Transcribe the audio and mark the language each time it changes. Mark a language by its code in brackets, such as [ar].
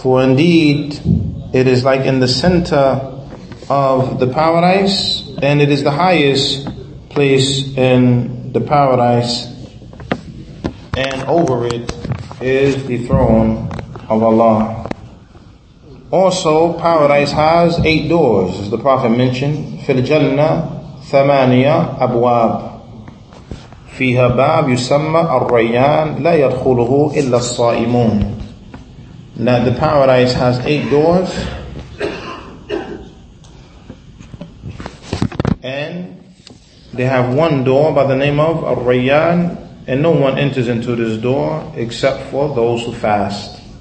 [en] For indeed, it is like in the center of the paradise, and it is the highest place in the paradise, and over it is the throne of Allah. Also, paradise has 8 doors, as the Prophet mentioned. [ar] فِي الْجَنَّةِ ثَمَانِيَ أَبْوَابِ فيها باب يسمى الريان لا يدخله إلا الصائمون. [en] Now the paradise has 8 doors, and they have one door by the name of الريان, and no one enters into this door except for those who fast.